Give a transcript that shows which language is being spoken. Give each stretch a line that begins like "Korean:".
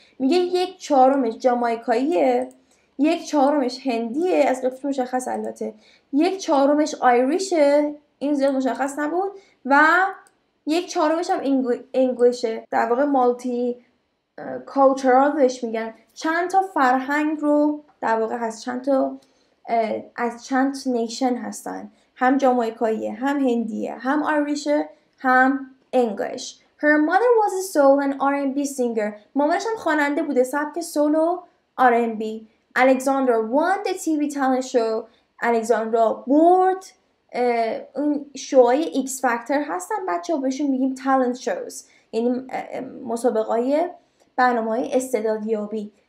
Persian: میگه یک چهارمش جامائیکاییه, یک چهارمش هندیه, از قبل مشخص البته, یک چهارمش آیریشه, این زیاد مشخص نبود, و یک چهارمش هم انگلیشه. در واقع مالتی کالچرال بهش میگن. چند تا فرهنگ رو در واقع هست, چند تا از چند نیشن هستن, هم جامائیکاییه, هم هندیه, هم آیریشه, هم انگلیش.
English: Her mother was a soul and R&B singer.
Persian: مامانش هم خواننده بوده, سبک سول و R&B.
English: Alexandra won the TV talent show.
Persian: Alexandra برد اون شوهای X Factor هستن, بچه ها بهشون میگیم talent shows, یعنی مسابقه های برنامه های استعدادیابی.